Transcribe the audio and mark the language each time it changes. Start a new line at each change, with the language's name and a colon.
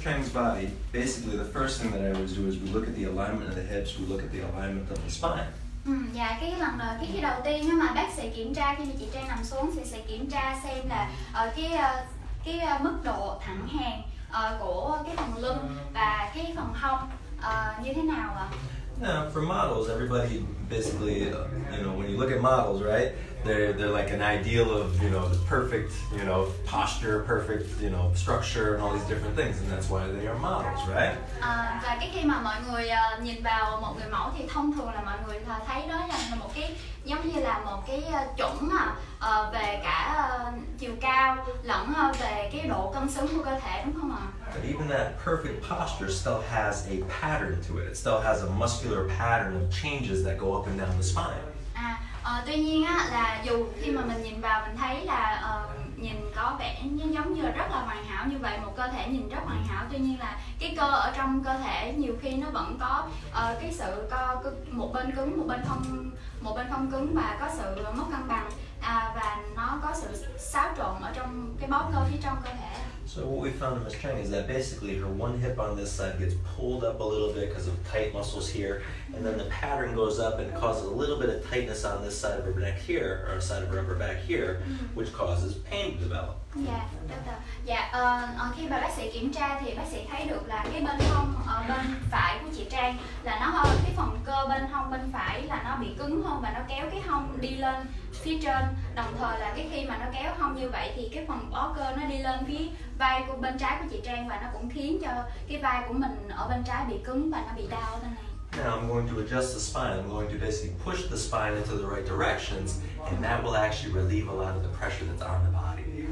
English: Chang's body, basically the first thing that I always do is we look at the alignment of the hips, we look at the alignment of the spine.
Vietnamese: Dạ, cái đầu tiên mà bác sĩ kiểm tra khi mà chị Trang nằm xuống thì sẽ kiểm tra xem là ở cái mức độ thẳng hàng của cái phần lưng và cái phần hông như thế nào ạ?
English: Now, for models, everybody basically, you know, when you look at models, right? They're like an ideal of, you know, the perfect, you know, posture, perfect, you know, structure and all these different things, and that's why they are models, right?
Vietnamese: Và cái khi mà mọi người nhìn vào một người mẫu thì thông thường là mọi người thấy đó là một cái giống như là một cái chuẩn mà về cả chiều cao lẫn về cái độ cân xứng của cơ thể, đúng không ạ?
English: But even that perfect posture still has a pattern to it. It still has a muscular pattern of changes that go up and down the spine.
Vietnamese: Tuy nhiên á, là dù khi mà mình nhìn vào mình thấy là nhìn có vẻ giống như là rất là hoàn hảo như vậy, một cơ thể nhìn rất hoàn hảo, tuy nhiên là cái cơ ở trong cơ thể nhiều khi nó vẫn có cái sự co, một bên cứng, một bên không cứng, và có sự mất cân bằng và nó có sự xáo trộn ở trong cái bó cơ phía trong cơ thể.
English: So what we found in Ms. Chang is that basically her one hip on this side gets pulled up a little bit because of tight muscles here, and then the pattern goes up and causes a little bit of tightness on this side of her neck here, or side of her upper back here, which causes pain to develop.
Vietnamese: Yeah, khi mà bác sĩ kiểm tra thì bác sĩ thấy được là cái bên hông bên phải của chị Trang là nó hơi cái phần cơ bên hông bên phải là nó bị cứng hơn và nó kéo cái hông đi lên phía trên, đồng thời là cái khi mà nó kéo hông như vậy thì cái phần bó cơ nó đi lên phía vai của bên trái của chị Trang và nó cũng khiến cho cái vai của mình ở bên trái bị cứng và nó bị đau thế này.
English: Now I'm going to adjust the spine. I'm going to basically push the spine into the right directions, and that will actually relieve a lot of the pressure that's on the body.